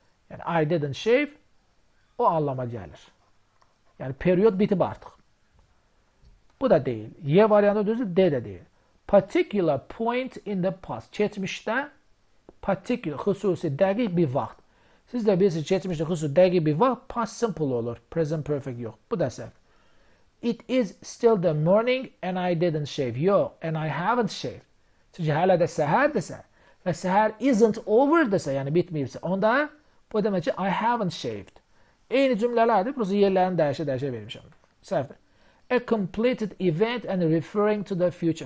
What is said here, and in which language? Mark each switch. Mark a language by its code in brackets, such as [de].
[az] Yəni, [en] I didn't shave, [az] o anlama gəlir. Yəni, period bitib artıq. Bu da deyil. Y variantı düzü, D də deyil. [en] Particular point in the past. [az] Keçmişdə particular, xüsusi, dəqiq bir vaxt. Siz də bilirsiniz, keçmişdə xüsusi, dəqiq bir vaxt, past simple olur. Present perfect yox. Bu da səhv. [en] It is still the morning and I didn't shave. [az] Yox, [en] and I haven't shaved. [az] Çünki hələ də səhərdirsə və səhər [en] isn't over [az] desə, yəni bitməyibsə, onda bu demək ki, [en] I haven't shaved. [az] Eyni cümlələrdir, burası yerlərini dəyişə-dəyişə vermişəm. Səhvdir. [en] A completed event and referring to the future.